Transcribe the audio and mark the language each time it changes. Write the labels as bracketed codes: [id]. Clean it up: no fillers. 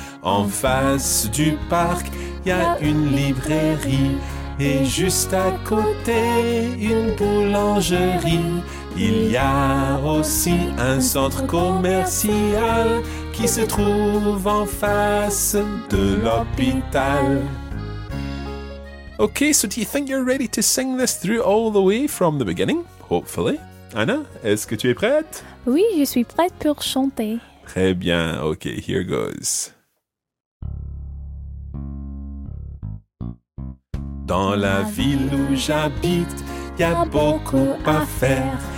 [fr] En face du parc, il y a une librairie. Et juste à côté, une boulangerie. Il y a aussi un centre commercial qui se trouve en face de l'hôpital. [en] Okay, so do you think you're ready to sing this through all the way from the beginning? Hopefully. Anna, [fr] est-ce que tu es prête? Oui, je suis prête pour chanter. Très bien, [en] okay, here goes. [fr] Dans la ville où j'habite, y a beaucoup à faire.